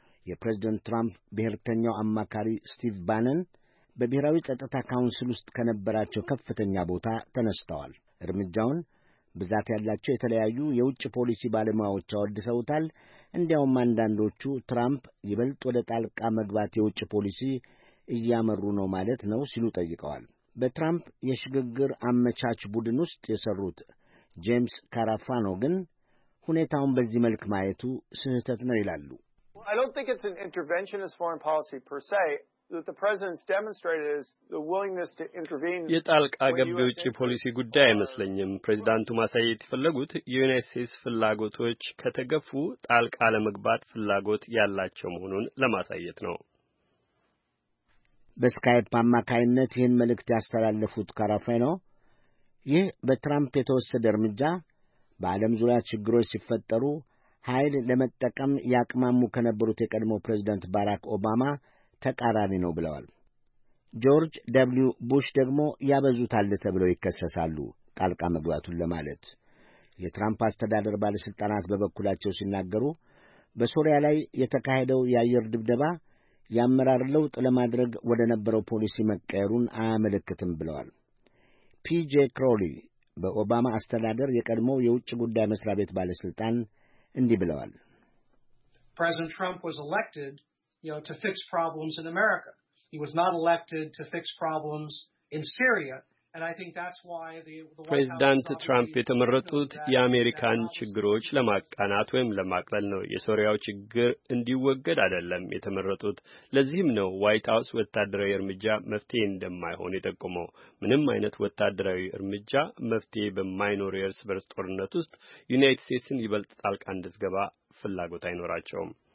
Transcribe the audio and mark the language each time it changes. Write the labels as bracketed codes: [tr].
[am] የፕሬዝደንት ትራምፕ ብሔርተኛው አማካሪ ስቲቭ ባነን በብሔራዊ ጸጥታ ካውንስል ውስጥ ከነበራቸው ከፍተኛ ቦታ ተነስተዋል። እርምጃውን ብዛት ያላቸው የተለያዩ የውጭ ፖሊሲ ባለሙያዎች አወድሰውታል። እንዲያውም አንዳንዶቹ ትራምፕ ይበልጥ ወደ ጣልቃ መግባት የውጭ ፖሊሲ እያመሩ ነው ማለት ነው ሲሉ ጠይቀዋል። በትራምፕ የሽግግር አመቻች ቡድን ውስጥ የሰሩት ጄምስ ካራፋኖ ግን ሁኔታውን በዚህ መልክ ማየቱ ስህተት ነው ይላሉ። [en] I don't think it's an interventionist foreign policy per se. That the president's demonstrated is the willingness to intervene. [am] የጣልቃ ገብ የውጭ ፖሊሲ ጉዳይ አይመስለኝም። ፕሬዝዳንቱ ማሳየት የፈለጉት የዩናይትድ ስቴትስ ፍላጎቶች ከተገፉ ጣልቃ ለመግባት ፍላጎት ያላቸው መሆኑን ለማሳየት ነው። በስካይፕ አማካይነት ይህን መልእክት ያስተላለፉት ካራፌኖ ይህ በትራምፕ የተወሰደ እርምጃ በዓለም ዙሪያ ችግሮች ሲፈጠሩ ኃይል ለመጠቀም ያቅማሙ ከነበሩት የቀድሞ ፕሬዚደንት ባራክ ኦባማ ተቃራኒ ነው ብለዋል። ጆርጅ ደብሊው ቡሽ ደግሞ ያበዙታል ተብለው ይከሰሳሉ ጣልቃ መግባቱን ለማለት። የትራምፕ አስተዳደር ባለሥልጣናት በበኩላቸው ሲናገሩ በሶሪያ ላይ የተካሄደው የአየር ድብደባ የአመራር ለውጥ ለማድረግ ወደ ነበረው ፖሊሲ መቀየሩን አያመለክትም ብለዋል። ፒጄ ክሮሊ በኦባማ አስተዳደር የቀድሞው የውጭ ጉዳይ መስሪያ ቤት ባለሥልጣን እንዲህ ብለዋል። [en] President Trump was elected, you know, to fix problems in America. He was not elected to fix problems in Syria. And I think that's why the [am] President Trump የተመረጡት የአሜሪካን ችግሮች ለማቃናት ወይም ለማቅለል ነው። የሶሪያው ችግር እንዲወገድ አይደለም የተመረጡት። ለዚህም ነው ዋይት ሃውስ ወታደራዊ እርምጃ መፍትሄ እንደማይሆን የጠቆመው። ምንም አይነት ወታደራዊ እርምጃ መፍትሄ በማይኖር የእርስ በርስ ጦርነት ውስጥ ዩናይትድ ስቴትስን ይበልጥ ጣልቃ እንድትገባ ፍላጎት አይኖራቸውም።